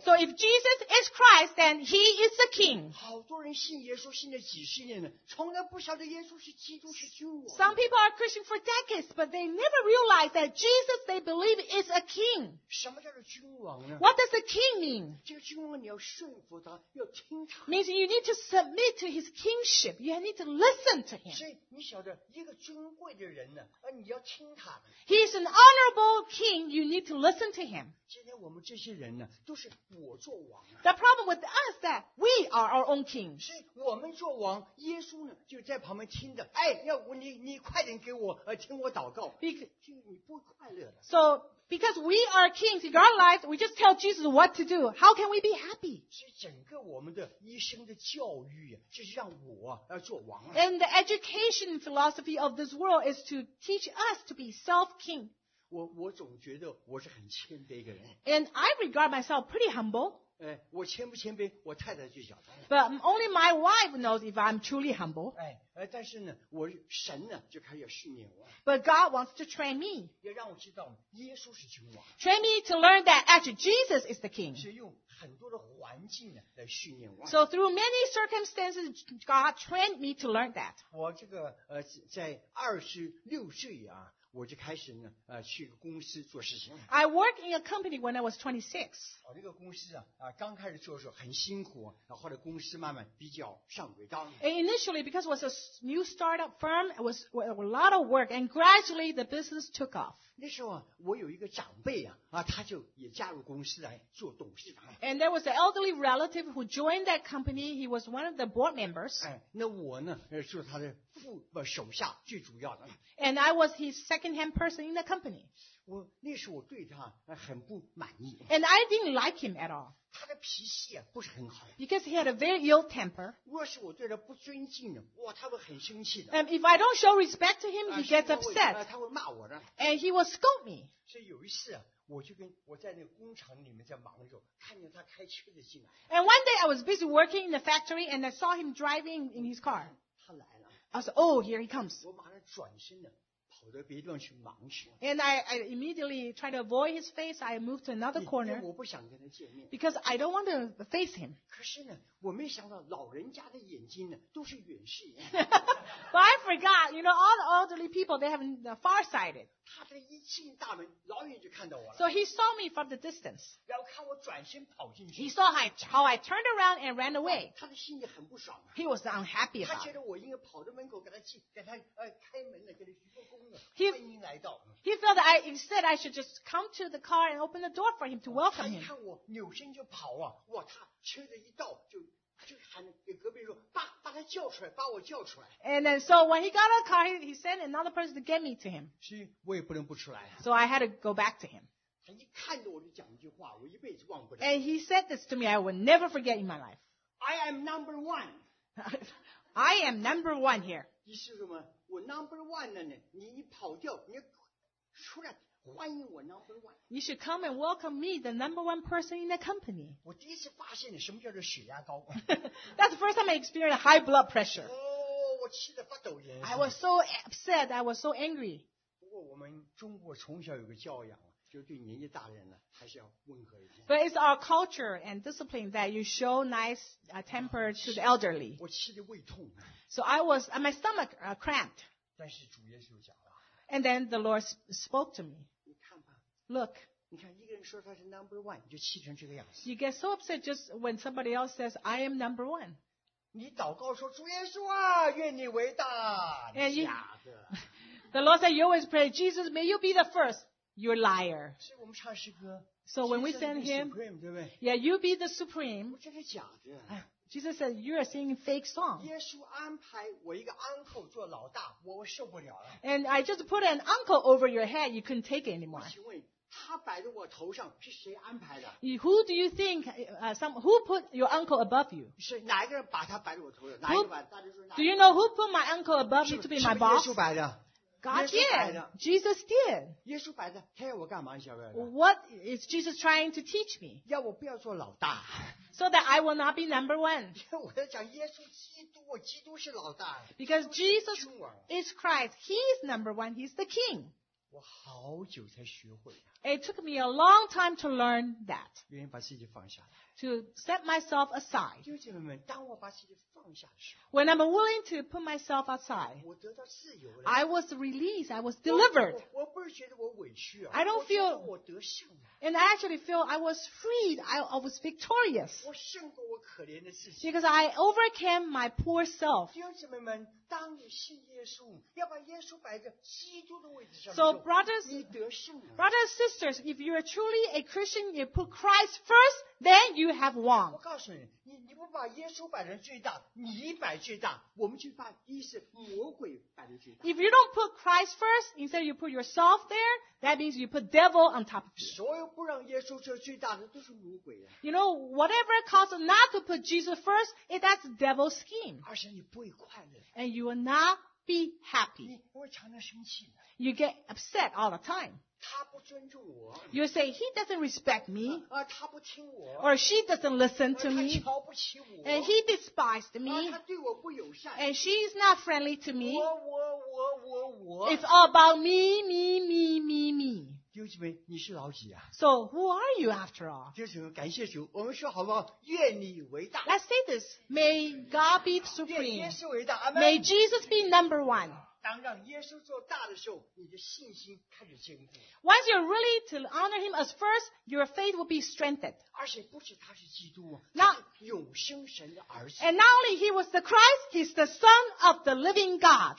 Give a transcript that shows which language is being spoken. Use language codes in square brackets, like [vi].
[en] So if Jesus is Christ, then he is the king. [zh] 好多人信耶稣信了几十年了，从来不晓得耶稣是基督是君王。 [en] Some people are Christian for decades, but they never realize that Jesus they believe is a king. [zh] 什么叫做君王呢？ [en] What does a king mean? [zh] 这个君王你要顺。 [en] Means you need to submit to his kingship. You need to listen to him. [zh] 所以你晓得一个尊贵的人呢，你要听他。 [en] He is an honorable king. You need to listen to him. [zh] 今天我们这些人呢，都是我做王。 [en] The problem with us is that we are our own kings. [zh] 所以我们做王，耶稣呢就在旁边听着。哎，要不你快点给我听我祷告。 [en] Because [zh] 你不快乐的。 [en] So. Because we are kings in our lives, we just tell Jesus what to do. How can we be happy? [zh] 是整个我们的一生的教育，就是让我要做王。 [en] And the education philosophy of this world is to teach us to be self-king. [zh] 我总觉得我是很谦卑的人。 [en] And I regard myself pretty humble. [zh] 哎，我谦不谦卑，我太太就晓得。 [en] But only my wife knows if I'm truly humble. [zh] 哎，但是呢，我神呢就开始要训练我。 [en] But God wants to train me. [zh] 也让我知道耶稣是君王。 [en] Train me to learn that actually Jesus is the king. [zh] 是用很多的环境呢来训练我。 [en] So through many circumstances, God trained me to learn that. [zh] 我这个在26岁啊。我就开始呢去一个公司做事情。 [en] I work in a company when I was 26. [zh] 我这个公司刚开始做的时候很辛苦，然后后来公司慢慢比较上轨道。 [en] And initially, because it was a new startup firm, it was a lot of work, and gradually the business took off. [zh] 那时候我有一个长辈他就也加入公司来做董事长。 [en] And there was an elderly relative who joined that company. He was one of the board members. [zh] 那我呢是他的手下最主要的。 [en] And I was his second second-hand person in the company. [zh] 我那时我对他很不满意。 [en] And I didn't like him at all. [zh] 他的脾气啊不是很好。 [en] Because he had a very ill temper. [zh] 若是我对他不尊敬的，哇，他会很生气的。 [en] And if I don't show respect to him, he gets upset. [zh] 他会骂我的。 [en] And he will scold me. [zh] 所以有一次啊。我就跟我在那个工厂里面在忙着，看见他开车子进来。 [en] And one day I was busy working in the factory and I saw him driving in his car. [zh] 他来了。 [en] I said, oh, here he comes. [zh] 我马上转身了，跑到别地方去忙去。 [en] And I immediately tried to avoid his face. I moved to another corner. [zh] 我不想跟他见面。 [en] Because I don't want to face him. [zh] 可是呢，我没想到老人家的眼睛呢都是远视眼。 [en] But I forgot, you know, all the elderly people, they have the far-sighted. [zh] 他这一进大门，老远就看到我了。 [en] So he saw me from the distance. [zh] 然后看我转身跑进去。 [en] He saw how I turned around and ran away. [zh] 他的心里很不爽。 [en] He was unhappy about it. [zh] 他觉得我应该跑到门口给他进，给他开门了，给他鞠个躬了，欢迎来到。 [en] He felt that instead I should just come to the car and open the door for him to welcome him. [zh] 他一看我扭身就跑啊，哇，他车子一到就喊给隔壁说，把他叫出来，把我叫出来。 [en] And then so when he got a car, he sent another person to get me to him. [zh] 是，我也不能不出来。 [en] So I had to go back to him. [zh] 他一看到我就讲一句话，我一辈子忘不了。 [en] And he said this to me, I will never forget in my life. I am number one. I am number one here. [zh] 意思什么？我 [en] number one [zh] 了呢？你跑掉，你出来。欢迎我 [en] number one. You should come and welcome me, the number one person in the company. [zh] 我第一次发现什么叫做血压高。 [en] That's the first time I experienced high blood pressure. [zh] 我气得发抖音。 [en] I was so upset. I was so angry. [zh] 不过我们中国从小有个教养，就对年纪大人呢，还是要温和一点。 [en] But it's our culture and discipline that you show nice temper to the elderly. [zh] 我气得胃痛。 [en] So I was my stomach cramped. [zh] 但是主耶稣讲。 [en] And then the Lord spoke to me. [zh] 你看吧, [en] Look. [zh] 你看一个人说他是 [en] number one, [zh] 你就气成这个样子。 [en] You get so upset just when somebody else says, I am number one. [zh] 你祷告说, 主耶稣啊, 愿你伟大, 你假的。 [en] The Lord said, you always pray, Jesus, may you be the first. You're a liar. [zh] 所以我们唱诗歌, [en] so when we send him, [zh] supreme, 对不对? [en] Yeah, you be the supreme. [zh] 这是假的。 [en] Jesus said, you are singing fake song. [zh] 耶稣安排我一个 uncle 做老大，我受不了了。 [en] And I just put an uncle over your head, you couldn't take it anymore. [zh] 请问他摆在我头上是谁安排的？ [en] Who do you think, who put your uncle above you? [zh] 是哪一个人把他摆在我头上？ 哪一个人？大家说哪一个？ [en] Do you know who put my uncle above me to be my boss? [zh] 是耶稣摆的。 [en] God did. Jesus did. [zh] 耶稣摆的，他要我干嘛？你晓得吗？ [en] What is Jesus trying to teach me? [zh] 要我不要做老大。 [en] So that I will not be number one. [zh] 我在讲耶稣基督，基督是老大。 [en] Because Jesus is Christ. He is number one. He's the king. [zh] 我好久才学会。 [en] It took me a long time to learn that. [zh] 愿意把自己放下。 [en] To set myself aside. [zh] 弟兄姐妹们，当我把自己放下的时候， [en] When I'm willing to put myself aside, [zh] 我得到自由了。 [en] I was released. I was delivered. [zh] 我不是觉得我委屈啊。 [en] I don't feel. [zh] 我得胜了。 [en] And I actually feel I was freed. I was victorious. [zh] 我胜过我可怜的自己。 [en] Because I overcame my poor self. [zh] 弟兄姐妹们，当你信耶稣，要把耶稣摆在基督的位置上。 [en] So brothers, [zh] 你得胜了。 [en] Brothers, sisters, if you are truly a Christian, you put Christ first. Then you have won. [zh] 我告诉你，你不把耶稣摆成最大，你摆最大，我们就把意思魔鬼摆成最大。 [en] If you don't put Christ first, instead you put yourself there, that means you put devil on top of you. [zh] 所有不让耶稣做最大的都是魔鬼啊。 [en] You know whatever causes not to put Jesus first, that's the devil's scheme. [zh] 而且你不会快乐。 [en] And you will not be happy. [zh] 你会常常生气。 [en] You get upset all the time. [zh] 他不尊重我。 [en] You say, he doesn't respect me. [zh] 他不听我。 [en] Or she doesn't listen to me. [zh] 他瞧不起我。 [en] And he despised me. [zh] 他对我不友善。 [en] And she is not friendly to me. [zh] 我。 [en] It's all about me. [zh] 弟兄姐妹，你是老几啊？ [en] So who are you after all? [zh] 弟兄姐妹，感谢主，我们说好不好？愿你伟大。 [en] Let's say this. May God be supreme. [zh] 愿耶稣伟大。 [en] May Jesus be number one. [zh] 当让耶稣做大的时候，你的信心开始坚固。 [en] Once you're ready to honor him as first, your faith will be strengthened. [zh] 而且不止他是基督，他是永生神的儿子。 [en] And not only he was the Christ, he's the Son of the living God.